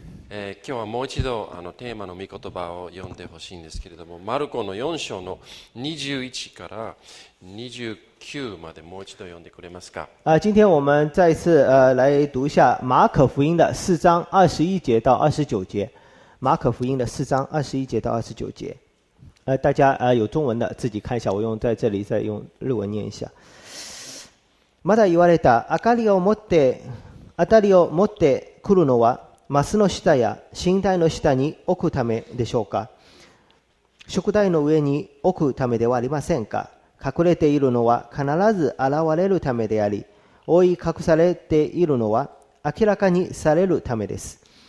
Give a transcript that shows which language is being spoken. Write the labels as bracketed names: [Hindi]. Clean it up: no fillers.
[Japanese] 今日はもう一度テーマの御言葉を読んでほしいんですけれども、マルコの4章の21から29までもう一度読んでくれますか。 [Chinese] 今天我们再次来读一下马可福音的4章21节到29节。马可福音的4章21节到29节。大家有中文的自己看一下，我用在这里再用日文念一下。 [Japanese] まだ言われた明かりを持って当たりを持ってくるのは、マスの下や寝台の下に置くためでしょうか。食台の上に置くためではありませんか。隠れているのは必ず現れるためであり、覆い隠されているのは明らかにされるためです。